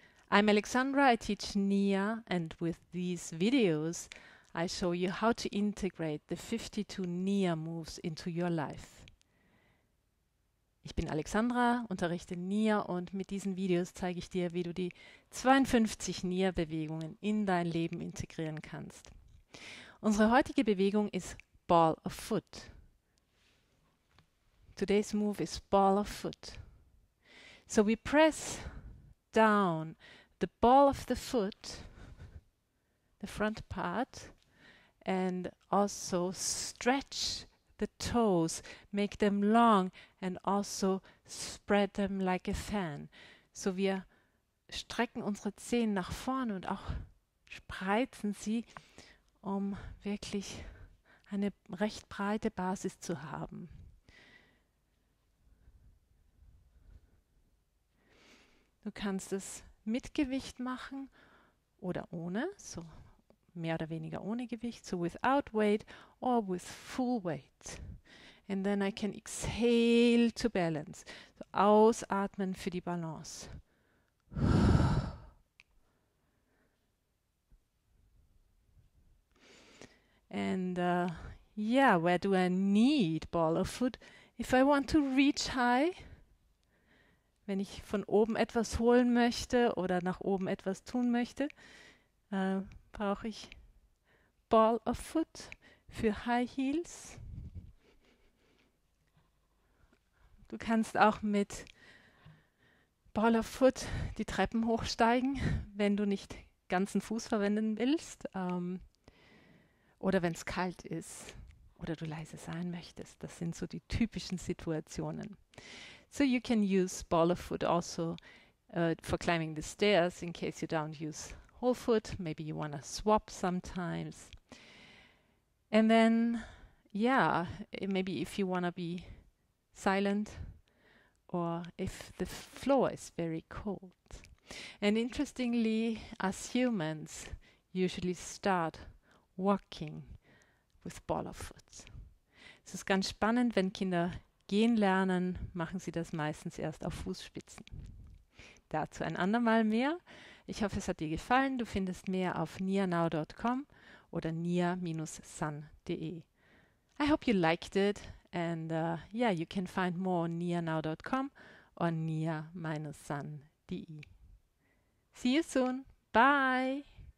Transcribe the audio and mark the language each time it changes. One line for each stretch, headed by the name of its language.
English: I'm Alexandra, I teach NIA, and with these videos, I show you how to integrate the 52 NIA moves into your life.
German: Ich bin Alexandra, unterrichte NIA und mit diesen Videos zeige ich dir, wie du die 52 NIA-Bewegungen in dein Leben integrieren kannst. Unsere heutige Bewegung ist Ball of Foot.
English: Today's move is ball of foot. So we press down the ball of the foot, the front part, and also stretch the toes, make them long and also spread them like a fan.
German: So wir strecken unsere Zehen nach vorne und auch spreizen sie, um wirklich eine recht breite Basis zu haben. Du kannst es mit Gewicht machen oder ohne, so mehr oder weniger ohne Gewicht,
English: so without weight or with full weight. And then I can exhale to balance.
German: So ausatmen für die Balance.
English: And yeah, where do I need ball of foot? If I want to reach high,
German: wenn ich von oben etwas holen möchte oder nach oben etwas tun möchte, brauche ich Ball of Foot für High Heels. Du kannst auch mit Ball of Foot die Treppen hochsteigen, wenn du nicht ganzen Fuß verwenden willst oder wenn es kalt ist oder du leise sein möchtest. Das sind so die typischen Situationen.
English: So you can use ball of foot also for climbing the stairs in case you don't use whole foot. Maybe you want to swap sometimes. And then, yeah, maybe if you want to be silent or if the floor is very cold. And interestingly, us humans usually start walking with ball of foot.
German: Es ist ganz spannend, wenn Kinder gehen lernen, machen sie das meistens erst auf Fußspitzen. Dazu ein andermal mehr. Ich hoffe, es hat dir gefallen. Du findest mehr auf nianow.com oder nia-san.de.
English: I hope you liked it and yeah, you can find more on nianow.com or nia-san.de. See you soon. Bye!